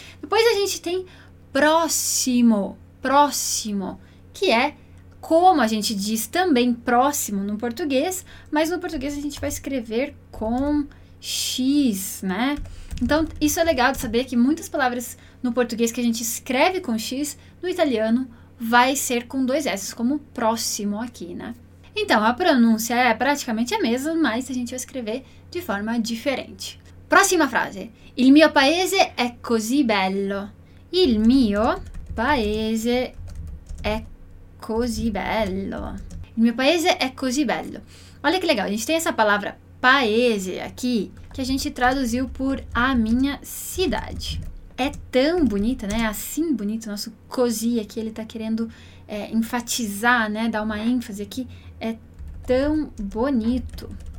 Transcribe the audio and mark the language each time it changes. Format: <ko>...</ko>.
<pt>Depois a gente tem próximo, próximo, que é como a gente diz também próximo no português, mas no português a gente vai escrever com X, né? Então, isso é legal de saber que muitas palavras no português que a gente escreve com X, no italiano, vai ser com dois S, como próximo aqui, né? Então, a pronúncia é praticamente a mesma, mas a gente vai escrever de forma diferente. Próxima frase.</pt> <it>Il mio paese è così bello. Il mio paese è così bello. Il mio paese è così bello.</it> <pt>Olha que legal, a gente tem essa palavra paese aqui, que a gente traduziu por a minha cidade. É tão bonita, né? Assim bonito, nosso così aqui, ele tá querendo enfatizar, né? Dar uma ênfase aqui. É tão bonito.</pt>